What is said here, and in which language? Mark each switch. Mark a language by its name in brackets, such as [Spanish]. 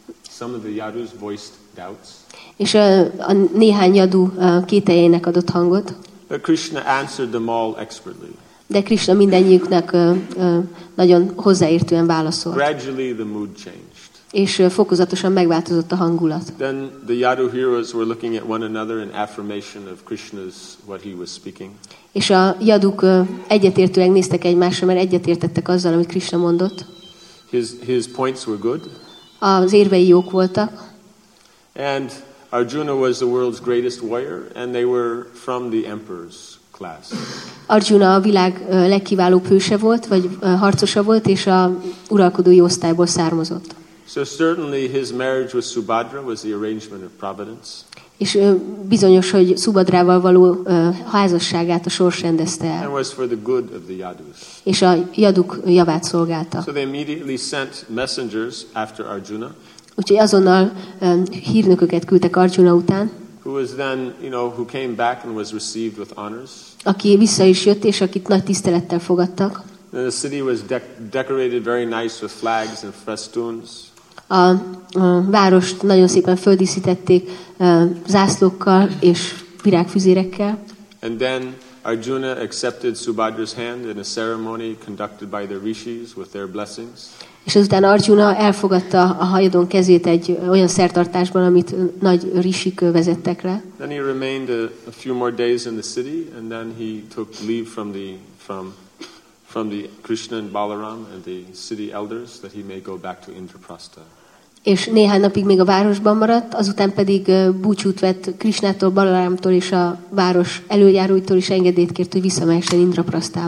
[English] Some of the Yadus voiced doubts. [Hungarian] És a néhány Yadu kételyének adott hangot. [English] But Krishna answered them all expertly. [Hungarian] De Krishna mindennyiüknek nagyon hozzáértően válaszolt. [English] Gradually the mood changed. [Hungarian] És fokozatosan megváltozott a hangulat. [English] Then the Yadu heroes were looking at one another in affirmation of Krishna's what he was speaking. [Hungarian] És a Yaduk egyetértően néztek egymásra, mert egyetértettek azzal, amit Krishna mondott. [English] His points were good. [Hungarian] Az érvei jók voltak. [English] And Arjuna was the world's greatest warrior, and they were from the emperor's class. [Hungarian] Arjuna a világ legkiválóbb hőse volt, vagy harcosa volt, és a uralkodói osztályból származott. [English] So certainly his marriage with Subhadra was the arrangement of providence. [Hungarian] És bizonyos, hogy Subhadrával való házasságát a sors rendezte el. [English] And was for the good of the Yadus. [Hungarian] És a Yaduk javát szolgálta. [English] So they immediately sent messengers after Arjuna. [Hungarian] Úgyhogy azonnal hírnököket küldtek Arjuna után. [English] Who was then, you know, who came back and was received with honors. [Hungarian] Aki vissza is jött, és akit nagy tisztelettel fogadtak. [English] And the city was decorated very nice with flags and festoons. [Hungarian] A várost nagyon szépen földíszítették zászlókkal és virágfüzérekkel. [English] And then Arjuna accepted Subhadra's hand in a ceremony conducted by the rishis with their blessings. [Hungarian] És azután Arjuna elfogadta a hajadon kezét egy olyan szertartásban, amit nagy rishik vezettek le. [English] Then he remained a few more days in the city, and then he took leave from the from the Krishna and Balaram and the city elders that he may go back to Indraprastha. [Hungarian] És néhány napig még a városban maradt, azután pedig búcsút vett Krishnától, Balarámtól és a város előjáróitól is engedélyt kért, hogy visszamehessen Indraprasthába.